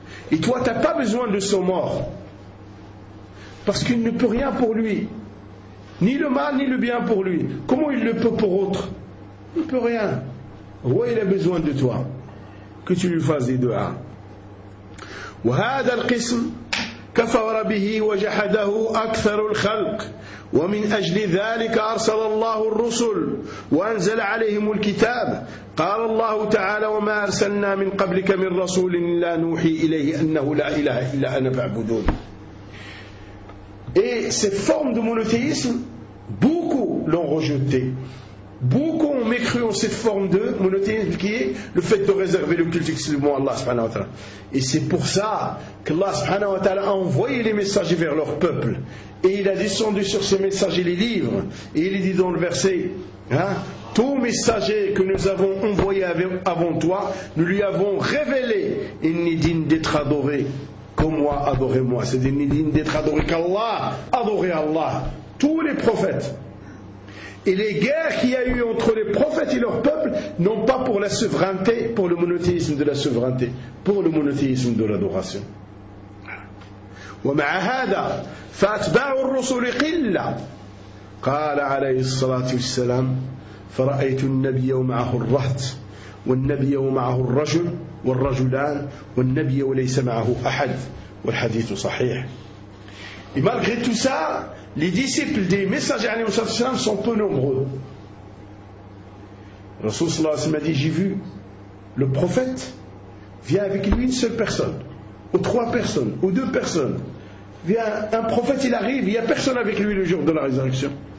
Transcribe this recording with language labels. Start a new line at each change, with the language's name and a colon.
French: Et toi, tu n'as pas besoin de son mort, parce qu'il ne peut rien pour lui, ni le mal, ni le bien pour lui. Comment il le peut pour autre? Il ne peut rien. Ouais, il a besoin de toi, que tu lui fasses des dua.
Arabic: وهذا القسم كفر به وجحده أكثر الخلق ومن أجل ذلك أرسل الله الرسل وأنزل عليهم الكتاب قال الله تعالى وما أرسلنا من قبلك من رسول إلا نوحي إليه أنه لا إله إلا أنا فاعبدون
French: Et cette forme de monothéisme, beaucoup l'ont rejeté. Beaucoup ont mécru en cette forme de monothéisme qui est le fait de réserver le culte exclusivement à Allah subhanahu wa ta'ala. Et c'est pour ça qu'Allah subhanahu wa ta'ala a envoyé les messagers vers leur peuple. Et il a descendu sur ces messagers les livres. Et il dit dans le verset, hein, tout messager que nous avons envoyé avant toi, nous lui avons révélé, il n'est digne d'être adoré comme moi, adorez-moi. C'est-à-dire, il n'est digne d'être adoré qu'Allah, adorez Allah. Tous les prophètes. Et les guerres qu'il y a eu entre les prophètes et leur peuple, non pas pour la souveraineté, pour le monothéisme de la souveraineté, pour le monothéisme de l'adoration.
Arabic: ومع هذا فأتباع الرسل قلة قال عليه الصلاة والسلام فرأيت النبي ومعه الرهط والنبي ومعه الرجل والرجلان والنبي وليس معه أحد والحديث صحيح.
French: Et malgré tout ça, les disciples des messagers
Arabic: عليه الصلاة
French: sont peu nombreux. Rasul
Arabic: صلى الله عليه وسلم
French: a dit, j'ai vu le prophète vient avec lui une seule personne ou trois personnes ou deux personnes. Vient un prophète, il arrive, il n'y a personne avec lui le jour de la résurrection.